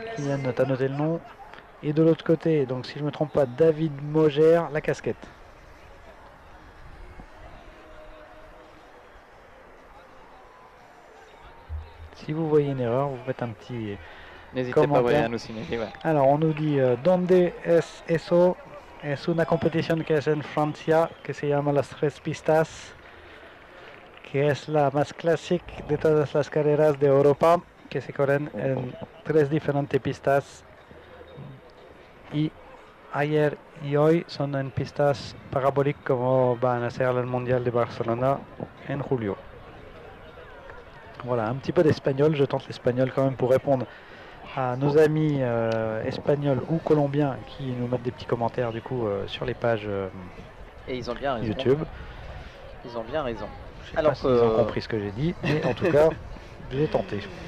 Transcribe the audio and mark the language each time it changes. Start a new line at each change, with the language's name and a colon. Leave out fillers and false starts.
French: Kylian, t'as noté le nom. Et de l'autre côté, donc si je me trompe pas, David Mogère, la casquette. Si vous voyez une erreur, vous faites un petit N'hésitez pas à nous signer. Ouais. Alors, on nous dit
Spanish: Donde es eso? Es una competición que es en Francia, que se llama las tres pistas, que es la más clásica de todas las carreras de Europa, que se corren en tres diferentes pistas. Y ayer y hoy son en pistas parabólicas, como van a ser el Mundial de Barcelona en julio.
French: Voilà, un petit peu d'espagnol, je tente l'espagnol quand même pour répondre à nos amis espagnols ou colombiens qui nous mettent des petits commentaires du coup sur les pages et ils ont bien raison. YouTube. Ils ont bien raison. Alors qu'ils ont compris ce que j'ai dit, mais en tout cas, j'ai tenté.